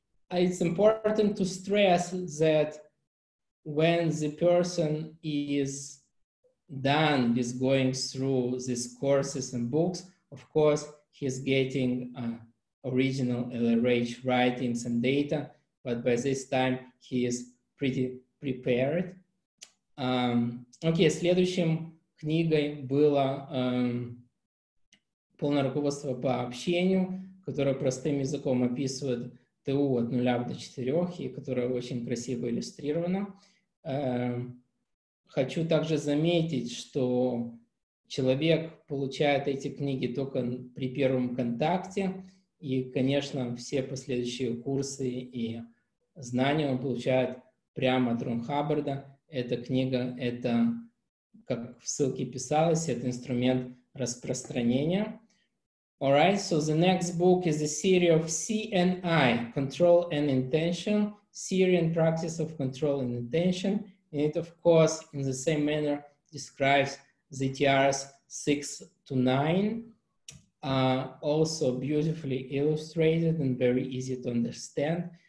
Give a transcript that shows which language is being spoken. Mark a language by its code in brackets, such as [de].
[en] It's important to stress that when the person is done with going through these courses and books, of course, he's getting original LRH writings and data, but by this time he is pretty prepared. [ru] Окей, следующим книгой было полное руководство по общению, которое простым языком описывает ТУ от 0 до 4, и которое очень красиво иллюстрировано. Хочу также заметить, что человек получает эти книги только при первом контакте, и, конечно, все последующие курсы и знания он получает прямо от Рон Хаббарда. эта книга, это, как в ссылке писалось, это инструмент распространения. [en] All right, so the next book is a series of CNI, Control and Intention, Syrian Practice of Control and Intention. And it, of course, in the same manner, describes ZTRs 6-9, also beautifully illustrated and very easy to understand.